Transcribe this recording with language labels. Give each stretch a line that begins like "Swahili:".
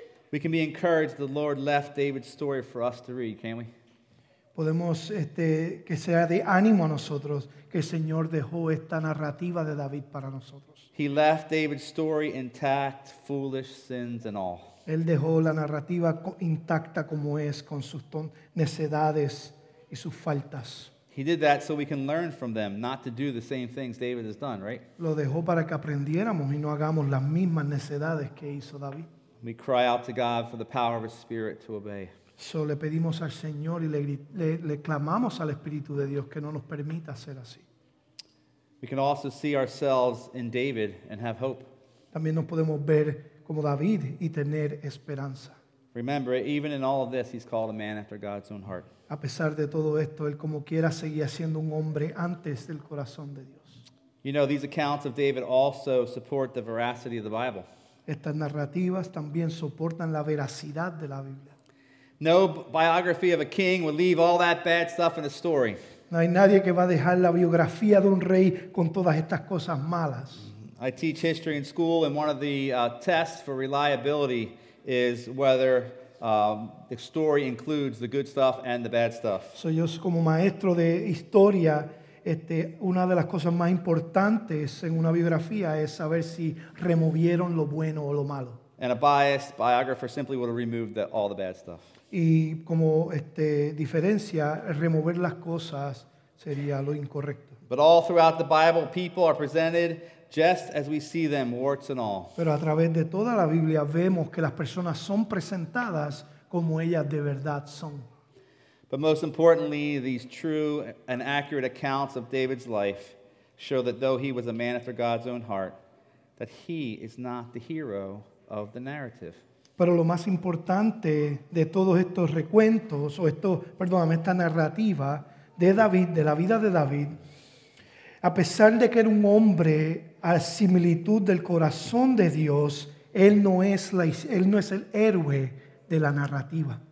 English: We can be encouraged the Lord left David's story for us to read, can't we?
Spanish: Podemos que sea de ánimo a nosotros que el Señor dejó esta narrativa de David para nosotros.
English: He left David's story intact, foolish sins and all.
Spanish: Él dejó la narrativa intacta como es, con sus necedades y sus faltas.
English: He did that so we can learn from them not to do the same things David has done, right?
Spanish: Lo dejó para que aprendiéramos y no hagamos las mismas necedades que hizo David.
English: We cry out to God for the power of His Spirit to obey.
Spanish: So le pedimos al Señor y le clamamos al Espíritu de Dios que no nos permita hacer así.
English: We can also see ourselves in David and have hope.
Spanish: También nos podemos ver como David y tener esperanza.
English: Remember, even in all of this, he's called a man after God's own heart.
Spanish: A pesar de todo esto, él como quiera seguía siendo un hombre antes del corazón de Dios.
English: You know, these accounts of David also support the veracity of the Bible.
Spanish: Estas narrativas también soportan la veracidad de la Biblia.
English: No biography of a king would leave all that bad stuff in the story.
Spanish: No hay nadie que va a dejar la biografía de un rey con todas estas cosas malas.
English: I teach history in school, and one of the tests for reliability is whether the story includes the good stuff and the bad stuff.
Spanish: So yo como maestro de historia, una de las cosas más importantes en una biografía es saber si removieron lo bueno o lo malo.
English: And a biased biographer simply would have removed all the bad stuff.
Spanish: Y como diferencia, remover las cosas sería lo incorrecto.
English: But all throughout the Bible, people are presented just as we see them, warts and all.
Spanish: Pero a través de toda la Biblia vemos que las personas son presentadas como ellas de verdad son.
English: But most importantly, these true and accurate accounts of David's life show that though he was a man after God's own heart, that he is not the hero of the narrative.
Spanish: Pero lo más importante de todos estos recuentos, o esto, perdóname, esta narrativa de David, de la vida de David, a pesar de que era un hombre a similitud del corazón de Dios, él no es el héroe de la narrativa.